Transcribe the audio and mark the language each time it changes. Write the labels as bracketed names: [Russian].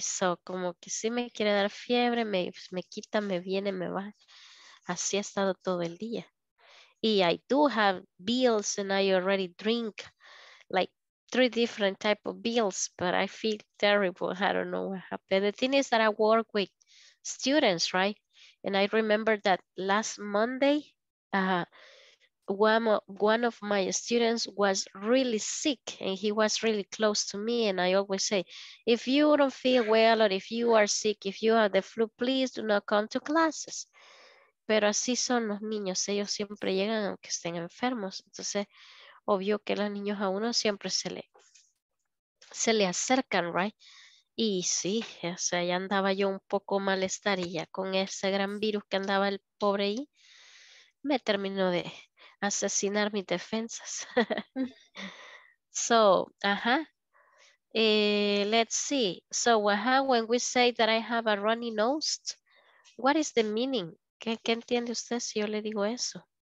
[Spanish] So como que sí me quiere dar fiebre, me quita, me viene, me va. Así ha estado todo el día. [English] Y I do have bills and I already drink like 3 different type of bills, but I feel terrible. I don't know what happened. The thing is that I work with students, right? And I remember that last Monday, one of my students was really sick and he was really close to me. And I always say, if you don't feel well or if you are sick, if you have the flu, please do not come to classes. [Spanish] Pero así son los niños, ellos siempre llegan aunque estén enfermos. Entonces, obvio que los niños a uno siempre se le acercan, right? Y sí, o sea, ya andaba yo un poco malestar y ya con ese gran virus que andaba el pobre ahí, me terminó de asesinar mis defensas. [English] So, let's see. So, when we say that I have a runny nose, what is the meaning? [Spanish] ¿Qué entiende usted si yo le digo eso?